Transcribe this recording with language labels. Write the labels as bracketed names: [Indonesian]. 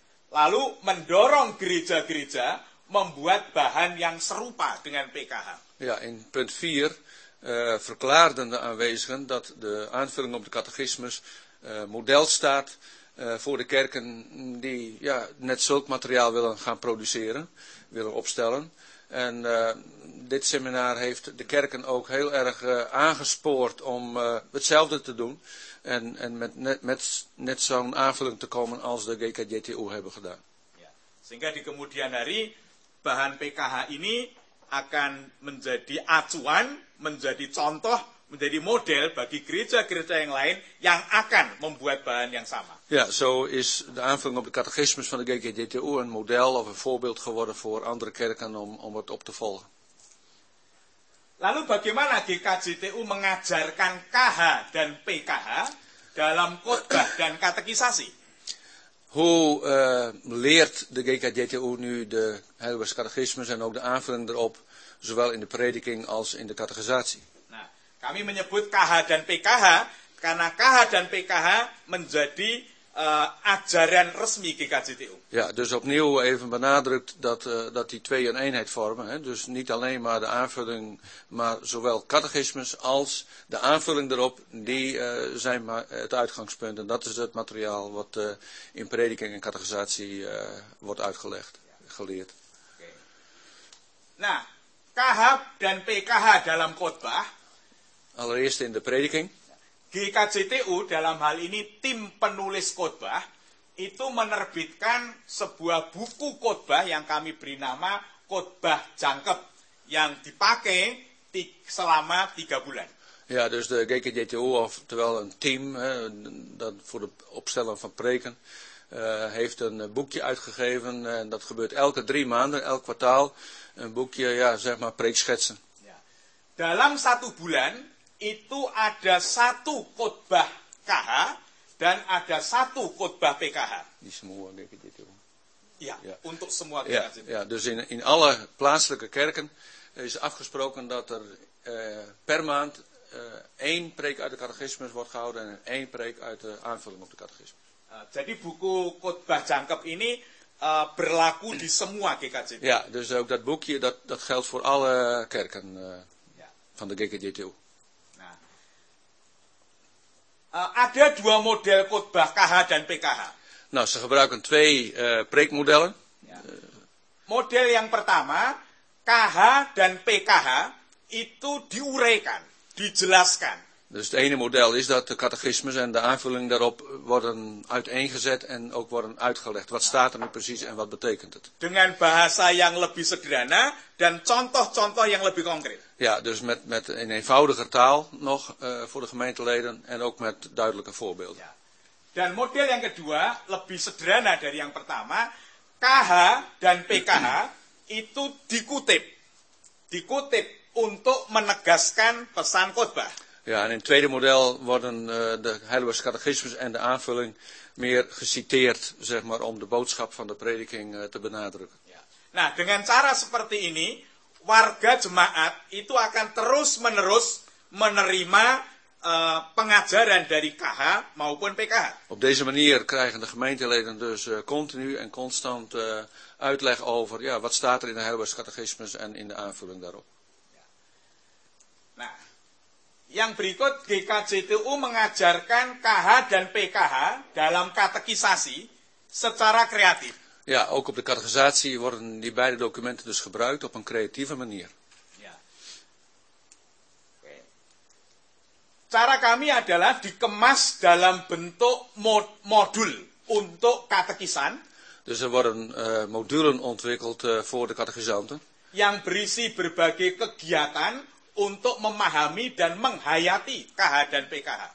[Indonesian] Lalu mendorong gereja-gereja membuat bahan yang serupa dengan PKH. [Dutch] Ja, in punt 4 verklaarden de aanwezigen dat de aanvulling op de catechismus model staat voor de kerken die ja, net zulk materiaal willen gaan produceren, willen opstellen. En dit seminar heeft de kerken ook heel erg aangespoord om hetzelfde te doen en met net zo'n aanvulling te komen als de GKJTU hebben gedaan. Ja. [Indonesian] Sehingga di kemudian hari bahan PKH ini akan menjadi acuan, menjadi contoh, menjadi model bagi gereja-gereja yang lain yang akan membuat bahan yang sama. [Dutch] Ja, so is de aanvulling op de catechismus van de GKJTU een model of een voorbeeld geworden voor andere kerken om het op te volgen. [Indonesian] Lalu bagaimana GKJTU mengajarkan KH dan PKH dalam khotbah dan katekisasi? [Dutch] Hoe leert de GKJTU nu de Heilige Catechismus en ook de aanvulling erop, zowel in de prediking als in de catechisatie? Kami menyebut KH dan PKH karena KH dan PKH menjadi ajaran resmi GKJTU. Ja, dus opnieuw even benadrukt dat die twee een eenheid vormen. Hè? Dus niet alleen maar de aanvulling, maar zowel catechismus als de aanvulling erop, die zijn maar het uitgangspunt. En dat is het materiaal wat in prediking en catechisatie wordt uitgelegd, geleerd. [Indonesian] Okay. Nah, KH dan PKH dalam khotbah. [Dutch] Allereerst in de prediking. [Indonesian] GKJTU dalam hal ini tim penulis khotbah itu menerbitkan sebuah buku khotbah yang kami beri nama khotbah jangkep yang dipakai selama 3 bulan. [Dutch] Ja, dus de GKJTU oftewel een team dat voor de opstellen van preken heeft een boekje uitgegeven en dat gebeurt elke 3 maanden, elk kwartaal een boekje, ja, zeg maar preekschetsen. Ja. [Indonesian] Dalam 1 bulan itu ada 1 khotbah KH dan ada 1 khotbah PKH. Di semua GKJTU. Ja, ja, untuk semua GKJTU. [Dutch] Ja, ja, dus in alle plaatselijke kerken is afgesproken dat er per maand 1 preek uit de catechismus wordt gehouden en 1 preek uit de aanvulling op de catechismus. [Indonesian] Jadi buku khotbah jangkep ini berlaku di semua GKJTU. [Dutch] Ja, dus ook dat boekje dat geldt voor alle kerken van de GKJTU. [Indonesian] Ada 2 model khotbah KH dan PKH. [Dutch] Nou, ze gebruiken 2 preekmodellen. [Indonesian] Ya. Model yang pertama, KH dan PKH itu diuraikan, dijelaskan. [Dutch] Dus het ene model is dat de catechismus en de aanvulling daarop worden uiteengezet en ook worden uitgelegd. Wat staat er nu precies en wat betekent het? [Indonesian] Dengan bahasa yang lebih sederhana dan contoh-contoh yang lebih konkret. [Dutch] Ja, dus met een eenvoudiger taal nog voor de gemeenteleden en ook met duidelijke voorbeelden. Ja. [Indonesian] Dan model yang kedua, lebih sederhana dari yang pertama, KH dan PKH itu dikutip. Dikutip untuk menegaskan pesan khotbah. [Dutch] Ja, en in het tweede model worden de Heilige Catechismus en de aanvulling meer geciteerd, zeg maar, om de boodschap van de prediking te benadrukken. Ja. [Indonesian] Nah, dengan cara seperti ini, warga jemaat itu akan terus-menerus menerima pengajaran dari KH maupun PKH. [Dutch] Op deze manier krijgen de gemeenteleden dus continu en constant uitleg over ja, wat staat er in de Heidelbergse catechismus en in de aanvulling daarop. [Indonesian] Nah, yang berikut GKJTU mengajarkan KH dan PKH dalam katekisasi secara kreatif. [Dutch] Ja, ook op de catechisatie worden die beide documenten dus gebruikt op een creatieve manier. [Indonesian] Cara kami adalah dikemas dalam bentuk modul untuk katekisan. [Dutch] Dus er worden modulen ontwikkeld voor de katekisanten. [Indonesian] Yang berisi berbagai kegiatan untuk memahami dan menghayati KH dan PKH.